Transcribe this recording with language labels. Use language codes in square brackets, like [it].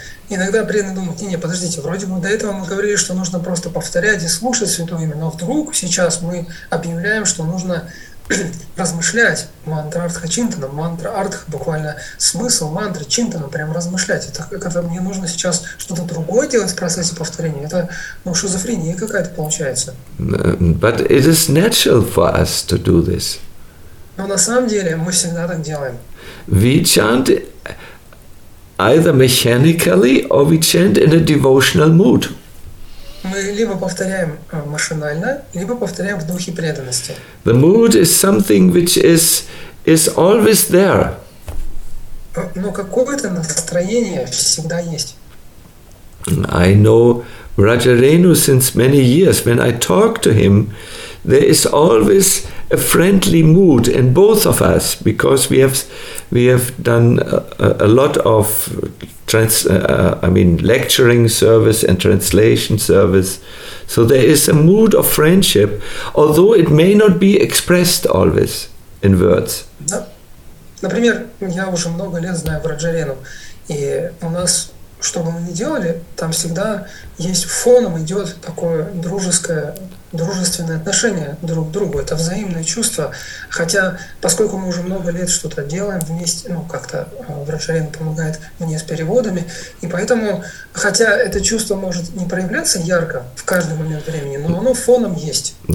[ru] Иногда преданные думают, не, подождите, вроде бы до этого мы говорили, что нужно просто повторять и слушать святое имя, но вдруг сейчас мы объявляем, что нужно размышлять мантра артха чинтана, мантра артха буквально смысл мантры чинтана, прям размышлять. Это когда мне нужно сейчас что-то другое делать в процессе повторения, это ну, шизофрения какая-то получается. [en] But it is natural for us to do this. [ru] Но на самом деле мы всегда так делаем. [en] We chant either mechanically or we chant in a devotional mood. [ru] Мы либо повторяем машинально, либо повторяем в духе преданности. [en] The mood is something which is always there. [ru] Но какое-то настроение всегда есть. [en] I know Raja Renu since many years. When I talk to him, there is always a friendly mood in both of us because we have done a lot of lecturing service and translation service. So there is a mood of friendship, although it may not be expressed always in words. [ru] Да. Например, я уже много лет знаю Враджарену, и у нас, что бы мы ни делали, там всегда есть фоном идет такое дружеское, дружественное отношение друг к другу. Это взаимное чувство. Хотя, поскольку мы уже много лет что-то делаем вместе, ну, как-то Враджарена помогает мне с переводами, и поэтому, хотя это чувство может не проявляться ярко в каждый момент времени, но оно фоном есть.